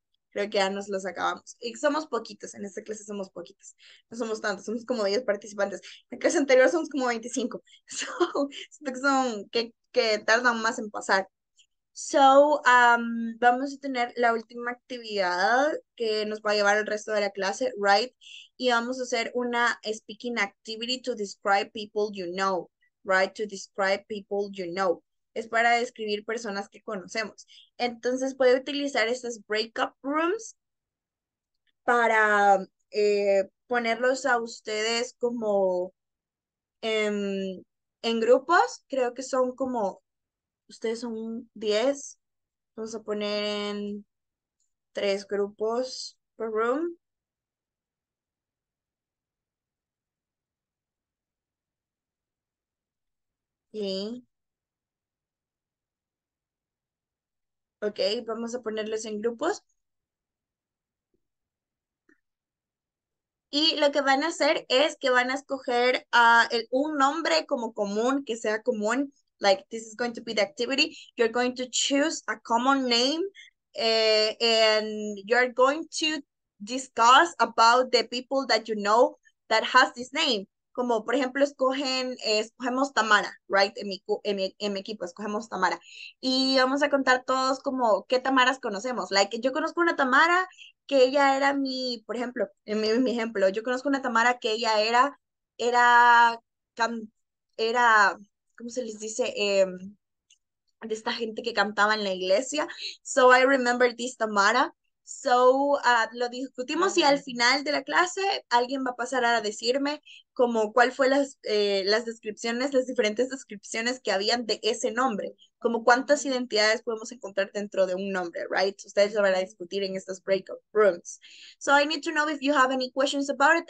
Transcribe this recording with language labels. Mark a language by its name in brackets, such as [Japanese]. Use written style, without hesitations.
[Spanish] Creo que ya nos los acabamos. Y somos poquitos, en esta clase somos poquitos. No somos tantos, somos como 10 participantes. En la clase anterior somos como 25. So, siento que son que tardan más en pasar. So, vamos a tener la última actividad que nos va a llevar el resto de la clase, right? Y vamos a hacer una [English] speaking activity to describe people you know, right? To describe people you know. [Spanish] Es para describir personas que conocemos. Entonces, puede utilizar estas breakup rooms para ponerlos a ustedes como en grupos. Creo que son como... Ustedes son 10. Vamos a poner en 3 grupos per room. Y okay, vamos a ponerlos en grupos. Y lo que van a hacer es que van a escoger un nombre como común, que sea común. [English] Like, this is going to be the activity. You're going to choose a common name. And you're going to discuss about the people that you know that has this name. [Spanish] Como, por ejemplo, escogemos Tamara, right? En mi equipo, escogemos Tamara. Y vamos a contar todos como qué Tamaras conocemos. Like, yo conozco una Tamara que ella era mi, por ejemplo, en mi ejemplo, yo conozco una Tamara que ella era, ¿cómo se les dice? De esta gente que cantaba en la iglesia. [English] So I remember this Tamara. [Spanish] So, lo discutimos y al final de la clase alguien va a pasar a decirme como cuál fue las diferentes descripciones que habían de ese nombre, como cuántas identidades podemos encontrar dentro de un nombre, right? Ustedes lo van a discutir en estos breakout rooms. [English] So I need to know if you have any questions about it.